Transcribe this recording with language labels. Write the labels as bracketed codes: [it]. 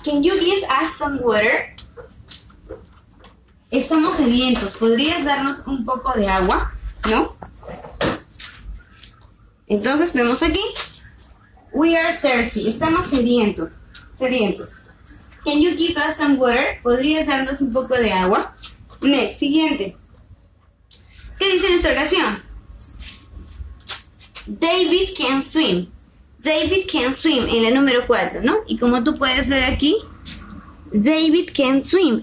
[en] Can you give us some water? [es] Estamos sedientos. ¿Podrías darnos un poco de agua? ¿No? Entonces, vemos aquí. [en] We are thirsty. [es] Estamos sedientos. [en] Can you give us some water? [es] ¿Podrías darnos un poco de agua? Next. Siguiente. ¿Qué dice nuestra oración? [en] David can swim. David can swim [es] en la número 4, ¿no? Y como tú puedes ver aquí, [en] David can swim.